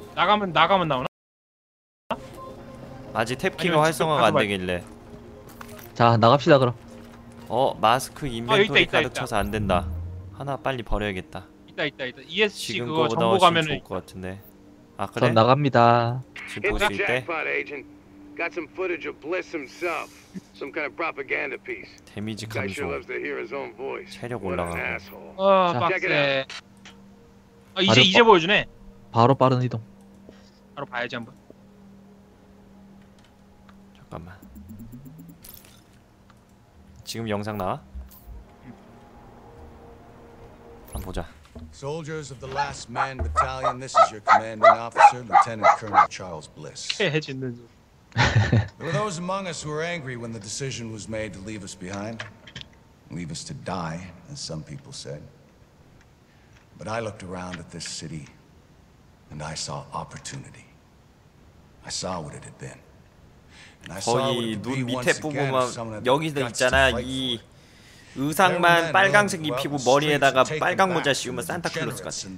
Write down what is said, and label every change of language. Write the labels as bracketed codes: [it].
[ko] 나가면 나오나? 아직 탭킹이 활성화가 안 되길래. 자 나갑시다 그럼. 어 마스크 인벤토리 가득 차서 안 된다. 하나 빨리 버려야겠다. 있다 ESC 지금 그거 정보 나오시면 가면은 좋을 것 같은데. 아 그래? 전 나갑니다. 지금 볼 수 있대? [en] Got some footage of Bliss himself. Some kind of propaganda piece. [ko] Damage 감소. 체력 올라가고. 어, 빡세. 아, 이제 보여주네. 바로 빠른 이동. 바로 봐야지 한번. 잠깐만. 지금 영상 나와? 한번 보자. [en] Soldiers of the Last Man Battalion. This is your commanding officer, Lieutenant Colonel Charles Bliss. 해진는 There were those among us who were angry when the decision was made to leave us behind. Leave us to die, as some people said. But I looked around at this city, and I saw opportunity. I saw what it had been. And I saw what it would be once again if someone had the guts to fight for it. [ko] 의상만 빨강색 입히고 머리에다가 빨강 모자 씌우면 산타클로스 같아.